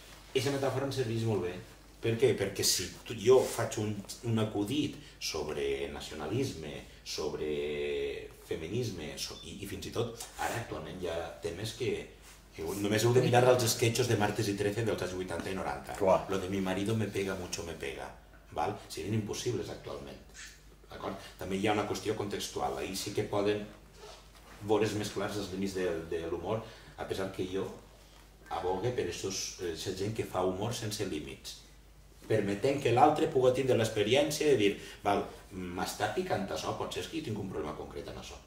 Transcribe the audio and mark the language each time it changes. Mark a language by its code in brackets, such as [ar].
[ca] Aquesta metàfora em serveix molt bé. Per què? Perquè si jo faig un acudit sobre nacionalisme, sobre feminisme, i fins i tot ara actualment hi ha temes que només heu de mirar els sketchos de Martes i Trece dels anys 80 i 90. Uah. [es] Lo de mi marido me pega mucho, me pega. [ca] Val? Serien impossibles actualment. D'acord? També hi ha una qüestió contextual. Ahí sí que poden veure's més clars els límits de l'humor, a pesar que jo abogue per aquesta gent que fa humor sense límits, permetent que l'altre pugui tindre l'experiència de dir, val, m'està picant això, potser és que jo tinc un problema concret en això.